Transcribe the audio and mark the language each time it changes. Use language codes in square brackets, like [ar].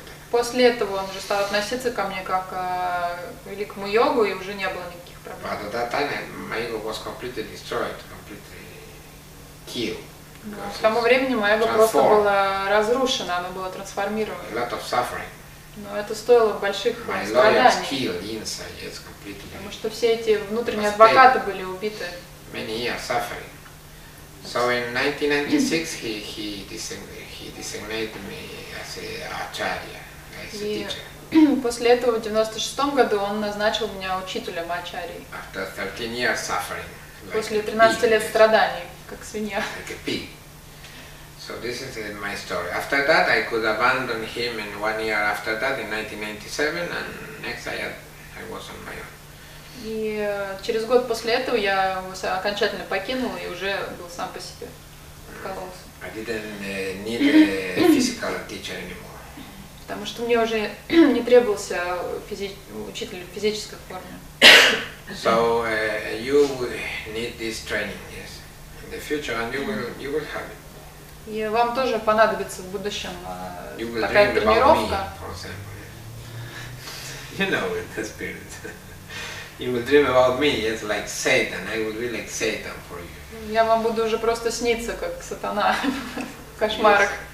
[ru] После этого он уже стал относиться ко мне как к великому йогу, и уже не было никаких проблем. [en] But at that time my ego was completely destroyed, completely killed. [ru] К тому времени мое эго просто было разрушено, оно было трансформировано. [en] A lot of suffering. [ru] Но это стоило больших [en] My [ru] страданий. [en] Lawyers killed inside, yes, completely. [ru] Потому что все эти внутренние адвокаты были убиты. [en] Many years suffering. So in 1996 he designated me as a acharya, as a teacher. [ru] После этого в 1996 году он назначил меня учителем ачарьи. [en] After 13 years suffering. [ru] после 13 лет страданий, как свинья. [en] Like a pig. So this is my story. After that, I could abandon him, and one year after that, in 1997, and next I was on my own. [ru] И через год после этого я его окончательно покинул и уже был сам по себе. [en] I didn't need a physical teacher anymore. [ru] Потому что мне уже не требовался учитель физической формы. [en] So you need this training, yes, in the future, and you will have it. [ru] И вам тоже понадобится в будущем такая тренировка. [en] You know it, the spirit. You will dream about me, yes, like Satan. I will be like Satan for you. [ru] Я вам буду уже просто сниться, как сатана в кошмарах.